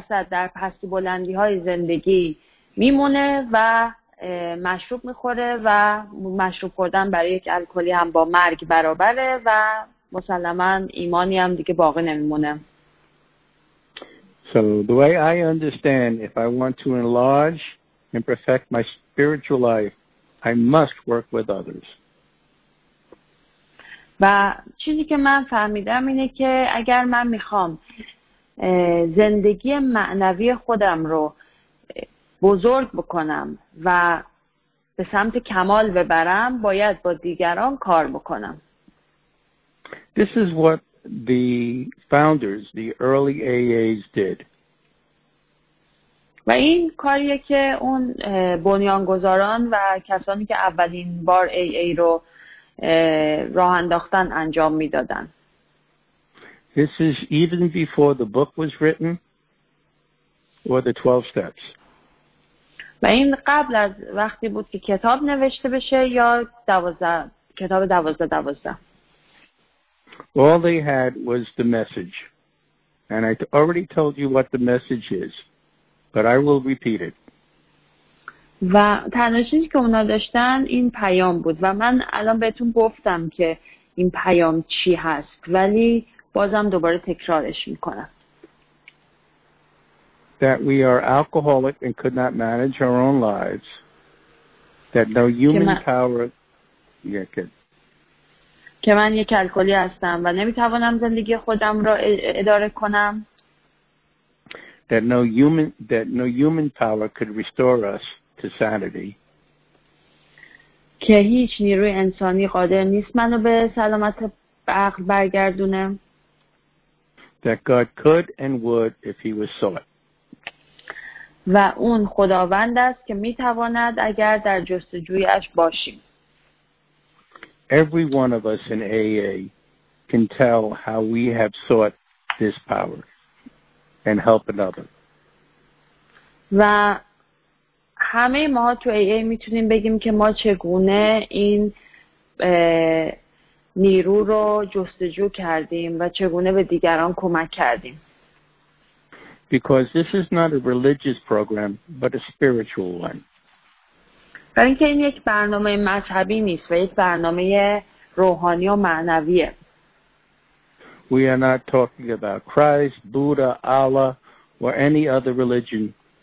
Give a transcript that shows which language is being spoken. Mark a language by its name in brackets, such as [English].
[Persian] در پستی بلندی های زندگی میمونه و مشروب میخوره و مشروب خوردن برای یک الکلی هم با مرگ برابره و مسلماً ایمانی هم دیگه باقی نمیمونه. [English] So the way I understand, if I want to enlarge and perfect my spiritual life, I must work with others. [Persian] و چیزی که من فهمیدم اینه که اگر من میخوام زندگی معنوی خودم رو بزرگ بکنم و به سمت کمال ببرم، باید با دیگران کار بکنم. [English] This is what the founders, the early AAs did. [Persian] و این کاریه که اون بنیانگذاران و کسانی که اولین بار AA رو راه انداختن انجام میدادن. [English] This is even before the book was written or the 12 steps. [Persian] و این قبل از وقتی بود که کتاب نوشته بشه یا کتاب 12-12. [English] All they had was the message. And I already told you what the message is, but I will repeat it. [Persian] و تنها چیزی که اونا داشتن این پیام بود و من الان بهتون گفتم که این پیام چی هست، ولی بازم دوباره تکرارش میکنم. [English] That we are alcoholic and could not manage our own lives. That no human power. [Persian] که من یک الکلی هستم و نمیتوانم زندگی خودم را اداره کنم. [English] That no human power could restore us to sanity. [Persian] که هیچ نیروی انسانی قادر نیست منو به سلامت عقل برگردونه. [English] That God could and would if He was sought. [Persian] و اون خداوند است که میتواند اگر در جستجویش باشیم. [English] Every one of us in AA can tell how we have sought this power and help another. [Persian] و همه ما تو AA میتونیم بگیم که ما چگونه این نیرو رو جستجو کردیم و چگونه به دیگران کمک کردیم. [English] Because this is not a religious program, but a spiritual one. [Persian] برای اینکه این یک برنامه مذهبی نیست و یک برنامه روحانی و معنویه. [English] We are not talking about Christ, Buddha, Allah, or any other religion.